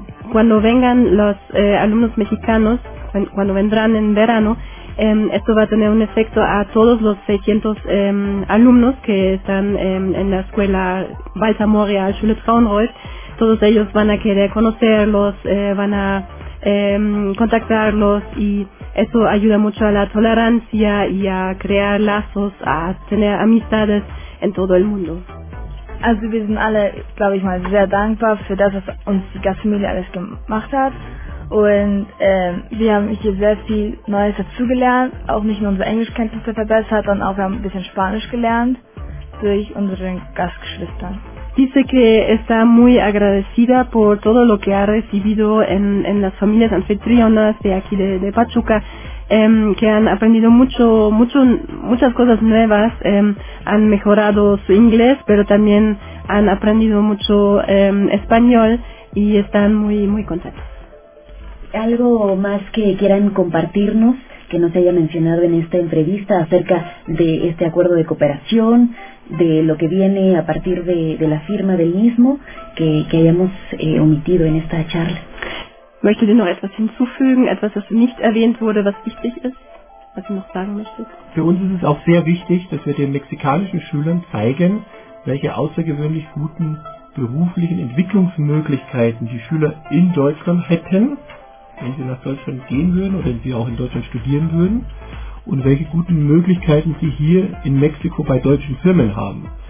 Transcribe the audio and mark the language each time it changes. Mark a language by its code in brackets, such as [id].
[es] Cuando vengan los alumnos mexicanos, cuando vendrán en verano, esto va a tener un efecto a todos los 600 alumnos que están en la escuela Walter Moria, Schule Traunreuth. Todos ellos van a querer conocerlos, van a contactarlos, y eso ayuda mucho a la tolerancia y a crear lazos, a tener amistades en todo el mundo. [de] Also wir sind alle, glaube ich mal, sehr dankbar für das, was uns die Gastfamilie alles gemacht hat. Und wir haben hier sehr viel Neues dazugelernt, auch nicht nur unsere Englischkenntnisse verbessert, sondern auch wir haben ein bisschen Spanisch gelernt durch unsere Gastgeschwister. [es] Dice que está muy agradecida por todo lo que ha recibido en las familias anfitrionas de aquí de Pachuca, que han aprendido muchas cosas nuevas, han mejorado su inglés, pero también han aprendido mucho español y están muy, muy contentos. ¿Algo más que quieran compartirnos que no se haya mencionado en esta entrevista acerca de este acuerdo de cooperación, de lo que viene a partir de la firma del mismo, que hayamos omitido en esta charla? [de] Möchtet ihr noch etwas hinzufügen, etwas, was nicht erwähnt wurde, was wichtig ist, was ihr noch sagen möchtet? Für uns ist es auch sehr wichtig, dass wir den mexikanischen Schülern zeigen, welche außergewöhnlich guten beruflichen Entwicklungsmöglichkeiten die Schüler in Deutschland hätten, wenn sie nach Deutschland gehen würden oder wenn sie auch in Deutschland studieren würden, und welche guten Möglichkeiten sie hier in Mexiko bei deutschen Firmen haben.